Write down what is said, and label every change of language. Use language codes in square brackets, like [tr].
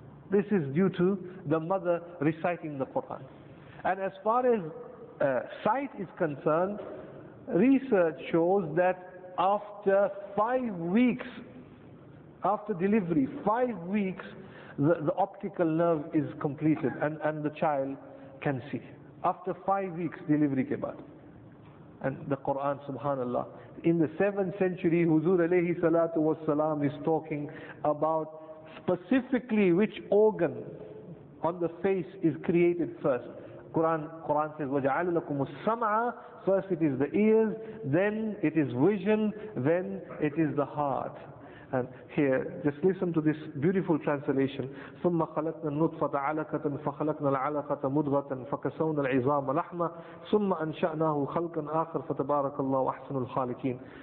[en] This is due to the mother reciting the Quran. And as far as sight is concerned, research shows that after 5 weeks, after delivery, 5 weeks, the optical nerve is completed and the child can see. After 5 weeks, delivery [ur] ke baad. [en] And the Quran, subhanallah, in the 7th century, Huzur alayhi salatu wasalam is talking about specifically which organ on the face is created first. Quran says, [ar] وَجَعَلَ لَكُمُ السَّمْعَ. [en] First it is the ears, then it is vision, then it is the heart. And here, just listen to this beautiful translation. [ar] ثُمَّ خَلَقْنَا النُّطْفَةَ عَلَقَةً فَخَلَقْنَا الْعَلَقَةَ مُضْغَةً فَكَسَوْنَا الْعِظَامَ لَحْمًا ثُمَّ أَنْشَأْنَاهُ خَلْقًا آخَرَ فَتَبَارَكَ اللَّهُ أَحْسَنُ الْخَالِقِينَ.